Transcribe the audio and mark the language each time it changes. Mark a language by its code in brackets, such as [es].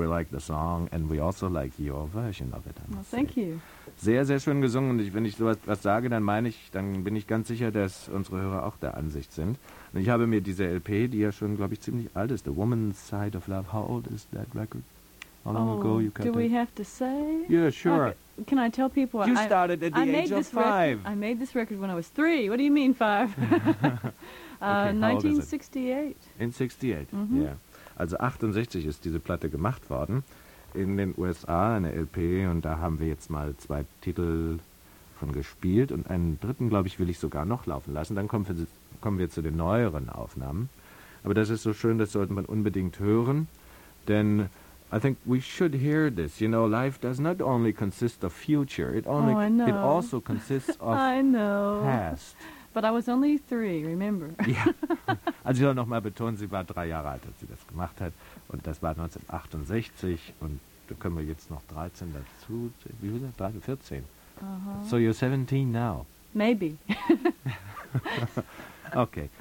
[en] The song and we also like your version of it. Well, thank you. [de] Sehr, sehr schön gesungen. Und wenn ich so etwas sage, dann meine ich, dann bin ich ganz sicher, dass unsere Hörer auch der Ansicht sind. Und ich habe mir diese LP, die ja schon, glaube ich, ziemlich alt ist, The Woman's Side of Love. [en] How old is that record? How long ago you cut it? Do we have to say? Yeah, sure. Can I tell people? You started at the age of 5. I made this record when I was 3. What do you mean 5? Okay, 1968. In 68, mm-hmm. Yeah. [de] Also 68 ist diese Platte gemacht worden in den USA, eine LP, und da haben wir jetzt mal zwei Titel von gespielt und einen dritten, glaube ich, will ich sogar noch laufen lassen. Dann kommen wir zu den neueren Aufnahmen. Aber das ist so schön, das sollte man unbedingt hören, denn [en] I think we should hear this. You know, life does not only consist of future, it also consists of past. But I was only 3, remember? Yeah. [de] Also ich soll noch mal betonen, sie war 3 Jahre alt, als sie das gemacht hat. Und das war 1968. Und da können wir jetzt noch 13 dazu. Wie viel ist das? 14. Uh-huh. [en] So you're 17 now. Maybe. Okay.